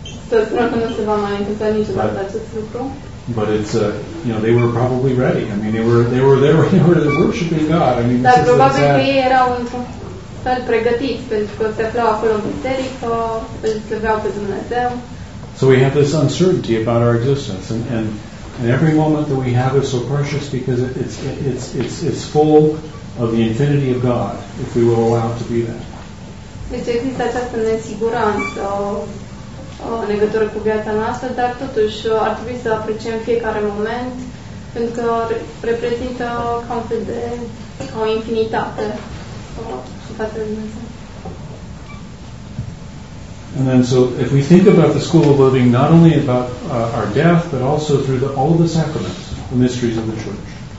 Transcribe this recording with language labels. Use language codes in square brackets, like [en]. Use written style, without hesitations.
[ro] Să sperăm că nu se va mai întâmpla niciodată acest lucru. [en] But it's you know, they were probably ready. I mean, they were worshiping God. I mean, [ro] dar probabil că ei erau într-un fel pregătiți, pentru că se aflau acolo în biserică, îl slăveau pe Dumnezeu. [en] So we have this uncertainty about our existence, and And every moment that we have is so precious because it's full of the infinity of God, if we will allow it to be that. [ro] Deci există această nesiguranță în legătură cu viața noastră, dar totuși ar trebui să apreciem fiecare moment, pentru că reprezintă ca un fel de o infinitate și față de Dumnezeu. [en] And then, so if we think about the school of living, not only about our death, but also through all the sacraments, the mysteries of the Church.